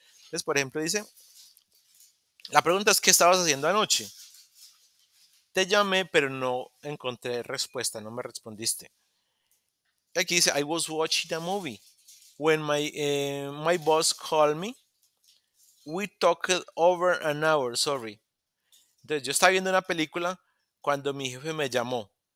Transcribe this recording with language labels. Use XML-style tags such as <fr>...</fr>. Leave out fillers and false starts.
<es>Entonces, por ejemplo, dice, la pregunta es, ¿qué estabas haciendo anoche? Te llamé, pero no encontré respuesta, no me respondiste. Aquí dice,</es> <en>I was watching a movie. When my boss called me, we talked over an hour, sorry.</en> <es>Entonces, yo estaba viendo una película cuando mi jefe me llamó.</es>